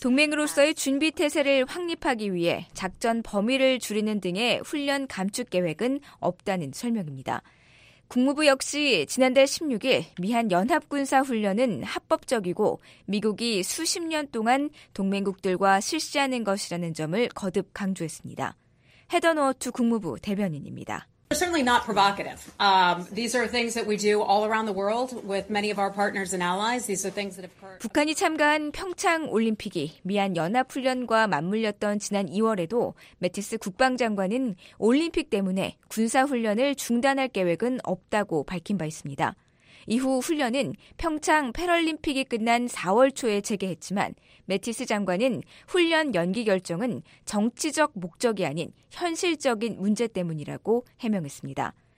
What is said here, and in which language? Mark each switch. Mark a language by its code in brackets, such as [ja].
[ko] 동맹으로서의 준비 태세를 확립하기 위해 작전 범위를 줄이는 등의 훈련 감축 계획은 없다는 설명입니다. 국무부 역시 지난달 16일 미한 연합군사훈련은 합법적이고 미국이 수십 년 동안 동맹국들과 실시하는 것이라는 점을 거듭 강조했습니다. 헤더 노어투 국무부 대변인입니다. [en] They're certainly not provocative. These are things that we do all around the world with many of our partners and allies. These are things that have occurred. [ko] 북한이 참가한 평창 올림픽이 미한 연합훈련과 맞물렸던 지난 2월에도 매티스 국방장관은 올림픽 때문에 군사훈련을 중단할 계획은 없다고 밝힌 바 있습니다. 이후 훈련은 평창 패럴림픽이 끝난 4월 초에 재개했지만 매티스 장관은 훈련 연기 결정은 정치적 목적이 아닌 현실적인 문제 때문이라고 해명했습니다.